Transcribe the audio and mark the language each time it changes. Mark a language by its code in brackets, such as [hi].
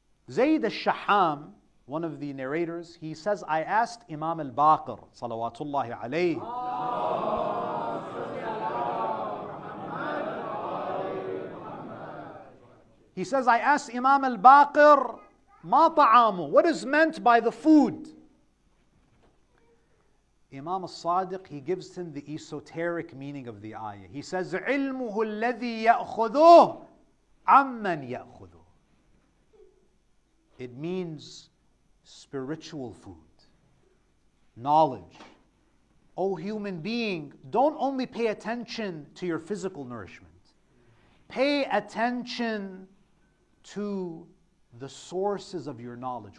[en] Zayd al-Shaham, one of the narrators, he says, I asked Imam al-Baqir, salawatullahi alayhi, he says, I asked Imam al-Baqir, [ar] ma ta'amu, [en] what is meant by the food? Imam al-Sadiq, he gives him the esoteric meaning of the ayah. He says, [ar] عِلْمُهُ الَّذِي يَأْخُذُهُ عَمَّنْ يَأْخُذُهُ. [en] It means spiritual food, knowledge. O human being, don't only pay attention to your physical nourishment. Pay attention to the sources of your knowledge.